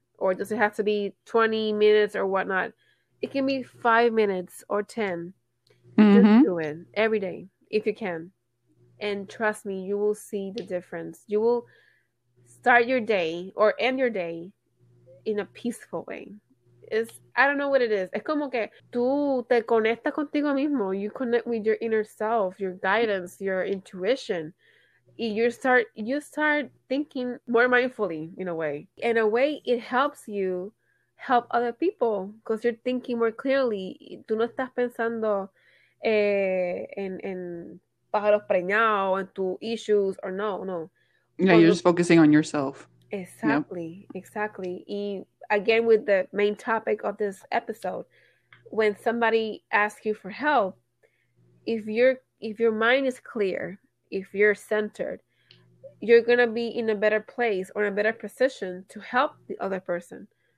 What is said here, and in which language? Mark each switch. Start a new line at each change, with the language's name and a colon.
English: Or does it have to be 20 minutes or whatnot? It can be 5 minutes or 10. Mm-hmm. Just do it every day if you can. And trust me, you will see the difference. You will start your day or end your day in a peaceful way. It's, I don't know what it is.
Spanish: Es como que tú te conectas contigo mismo.
English: You connect with your inner self, your guidance, your intuition. You start thinking more mindfully in a way it helps you help other people because you're thinking more clearly.
Spanish: Tú no estás pensando en pájaros preñados, en tus issues, or no.
English: Yeah, cuando, you're just focusing on yourself. Exactly, yeah. Exactly. And again, with the main topic of this episode, when somebody asks you for help, if your mind is clear, if you're centered, you're going to be in a better place or a better position to help the other person.